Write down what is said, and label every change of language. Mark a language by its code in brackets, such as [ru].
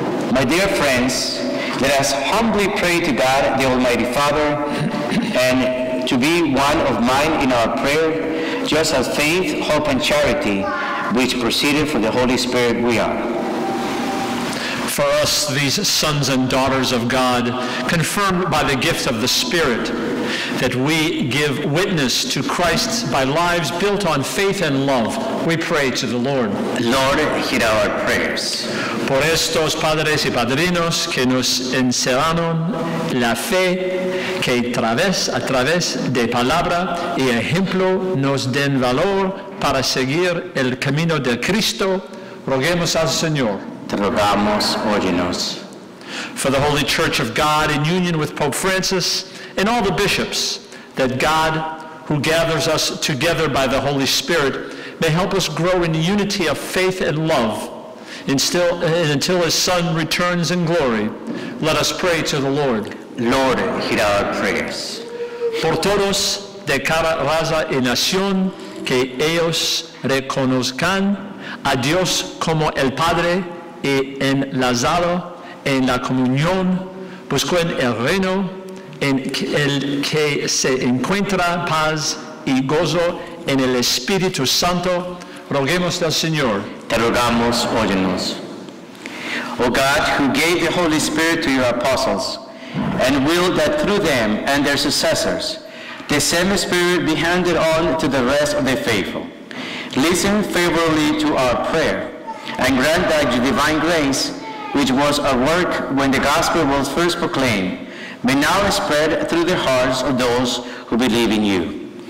[en] My dear friends, let us humbly pray to God, the Almighty Father, and to be one of mind in our prayer, just as faith, hope, and charity, which proceeded from the Holy Spirit, we are. For us, these sons and daughters of God, confirmed by the gift of the Spirit, that we give witness to Christ by lives built on faith and love, we pray to the Lord. Lord, hear our prayers. [es] Por estos padres y padrinos que nos enseñaron la fe, que a través de palabra y ejemplo nos den valor para seguir el camino de Cristo, roguemos al Señor. Rogamos, óyenos. [en] For the Holy Church of God in union with Pope Francis and all the bishops, that God, who gathers us together by the Holy Spirit, may help us grow in unity of faith and love, until his son returns in glory, let us pray to the Lord. Lord, hear our prayers. [es] Por todos de cada raza y nación, que ellos reconozcan a Dios como el Padre y enlazado en la comunión, busquen el reino en el que se encuentra paz y gozo en el Espíritu Santo, roguemos al Señor. Te rogamos, óyenos. [en] O God, who gave the Holy Spirit to your apostles, and willed that through them and their successors, the same Spirit be handed on to the rest of the faithful, listen favorably to our prayer, and grant that your divine grace, which was at work when the gospel was first proclaimed, may now spread through the hearts of those who believe in you.